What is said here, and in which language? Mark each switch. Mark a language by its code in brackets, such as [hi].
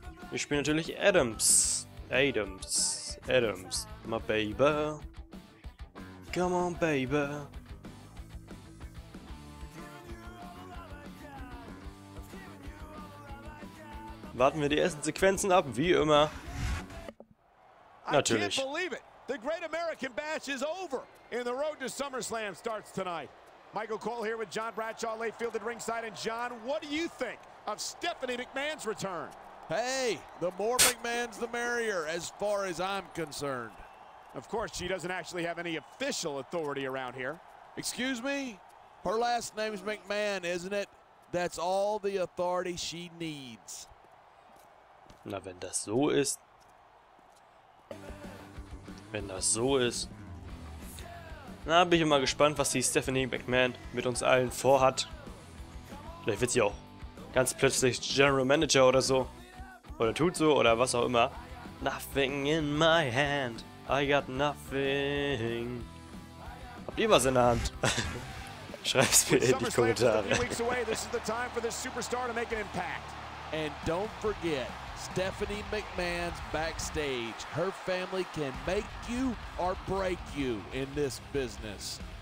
[de] Wir spielen natürlich Adams, [en] my baby, come on baby. [de] Warten wir die ersten Sequenzen ab, wie immer. [en] Natürlich. I can't believe it. The Great American Bash is over, and the road to SummerSlam starts tonight. Michael Cole here with John Bradshaw, Layfield at ringside, and John, what do you think of Stephanie McMahon's return? Hey, the more McMahons, the merrier, as far as I'm concerned. Of course, she doesn't actually have any official authority around here. Excuse me? Her last name's McMahon, isn't it? That's all the authority she needs. [de] Na, wenn das so ist. Wenn das so ist. Na, bin ich immer gespannt, was die Stephanie McMahon mit uns allen vorhat. Vielleicht wird sie auch ganz plötzlich General Manager oder so. Oder tut so, oder was auch immer. [en] Nothing in my hand. I got nothing. [de] Habt ihr was in der Hand? Schreibt's mir in die Kommentare. [en] This is the time for this superstar to make an impact. And don't forget, Stephanie McMahon's backstage. Her family can make you or break you in this business.